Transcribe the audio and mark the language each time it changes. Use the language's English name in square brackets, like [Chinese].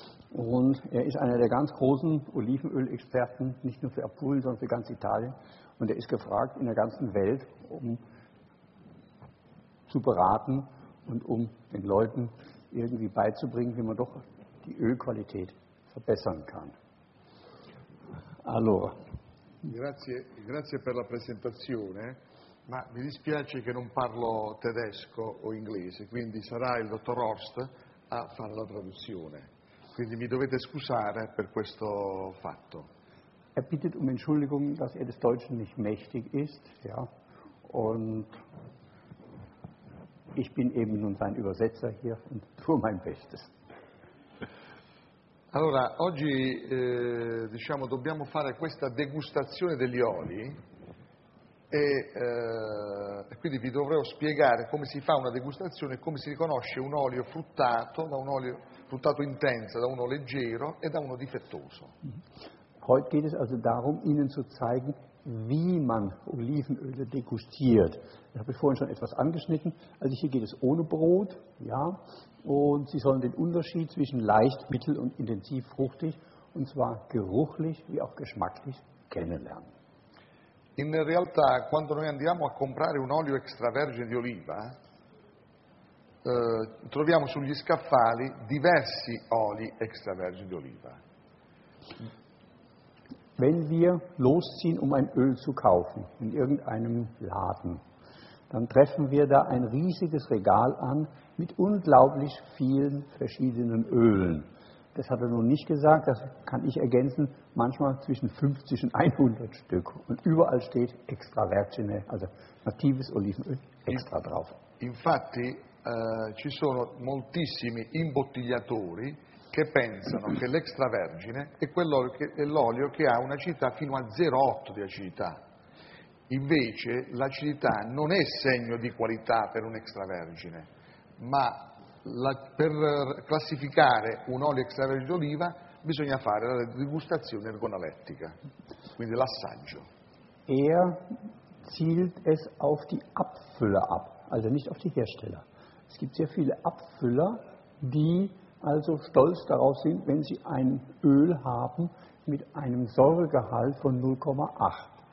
[German] Und er ist einer der ganz großen Olivenölexperten, nicht nur für Apulien, sondern für ganz Italien. Und er ist gefragt in der ganzen Welt, um zu beraten und um den Leuten irgendwie beizubringen, wie man doch die Ölqualität verbessern kann. [Italian] Allora. Grazie per la presentazione, ma mi dispiace che non parlo tedesco o inglese, quindi sarà il dottor Horst a fare la traduzione. Quindi mi dovete scusare per questo fatto. [German] Er bittet um Entschuldigung, dass er des Deutschen nicht mächtig ist, ja. Und ich bin eben nun sein Übersetzer hier und tue mein Bestes. [Italian] Allora, oggi diciamo dobbiamo fare questa degustazione degli oli e quindi vi dovrò spiegare come si fa una degustazione e come si riconosce un olio fruttato da un olio fruttato intenso, da uno leggero e da uno difettoso. [German] Heute geht es also darum, Ihnen zu zeigen, wie man Olivenöle degustiert. Ich habe vorhin schon etwas angeschnitten. Also hier geht es ohne Brot, ja. Und Sie sollen den Unterschied zwischen leicht, mittel und intensiv fruchtig, und zwar geruchlich wie auch geschmacklich, kennenlernen. [Italian] In realtà, quando noi andiamo a comprare un olio extravergine di oliva, troviamo sugli scaffali diversi oli extravergine di oliva. [German] Wenn wir losziehen, um ein Öl zu kaufen, in irgendeinem Laden, dann treffen wir da ein riesiges Regal an mit unglaublich vielen verschiedenen Ölen. Das hat er nun nicht gesagt, das kann ich ergänzen, manchmal zwischen 50 und 100 Stück. Und überall steht extra vergine, also natives Olivenöl, extra drauf. [Italian] Infatti, ci sono moltissimi imbottigliatori che pensano che l'extravergine è l'olio che ha un'acidità fino a 0,8 di acidità. Invece l'acidità non è segno di qualità per un extravergine, ma per classificare un olio extravergine d'oliva bisogna fare la degustazione ergonalettica, quindi l'assaggio. [German] Er zielt es auf die Abfüller ab, also nicht auf die Hersteller. Es gibt sehr viele Abfüller, die also stolz darauf sind, wenn sie ein Öl haben mit einem Säuregehalt von 0,8.